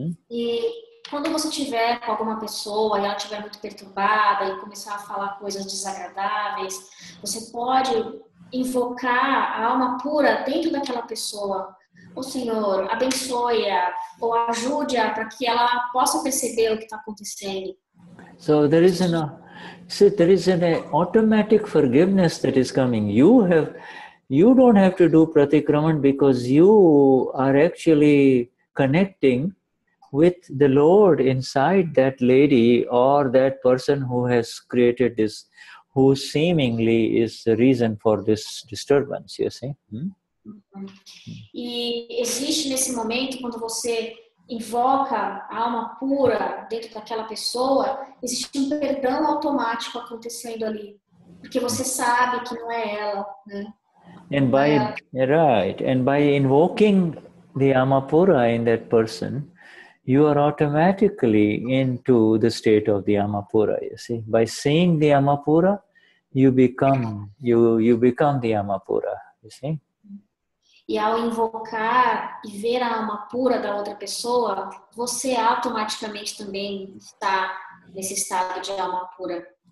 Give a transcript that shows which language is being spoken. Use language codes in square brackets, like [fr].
[pt] E quando você tiver com alguma pessoa e ela estiver muito perturbada e começar a falar coisas desagradáveis, você pode invocar a alma pura dentro daquela pessoa. O Senhor, abençoe-a ou ajude-a para que ela possa perceber o que está acontecendo. [en] So there is an automatic forgiveness that is coming. You don't have to do pratikraman because you are actually connecting with the Lord inside that lady or that person who has created this, who seemingly is the reason for this disturbance, you see? [pt] E existe nesse momento, quando você invoca a alma pura dentro daquela pessoa, existe perdão automático acontecendo ali, porque você sabe que não é ela, né? [en] And by invoking the Amapura in that person, you are automatically into the state of the Amapura, you see. By seeing the Amapura, you become the Amapura, you see. [pt] E ao invocar e ver a alma pura da outra pessoa, você automaticamente também está nesse estado de alma pura.